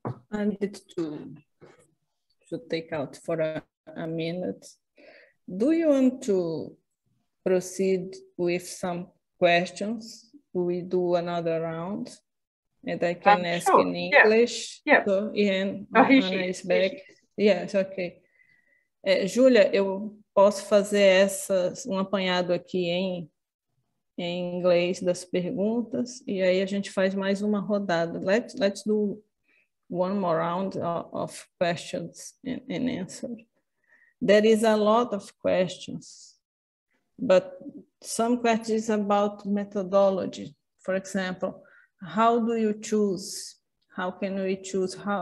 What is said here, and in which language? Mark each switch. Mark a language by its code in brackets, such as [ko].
[en] I need to take out for a minute. Do you want to proceed with some questions? We do another round, and I can ask in English. Yeah. Yeah. So, Ian, is back. Yes, okay. [pt] Julia, eu posso fazer um apanhado aqui em inglês das perguntas, e aí a gente faz mais uma rodada. [en] Let's do one more round of questions and answers. There is a lot of questions, but some questions about methodology. For example, how do you choose? How can we choose?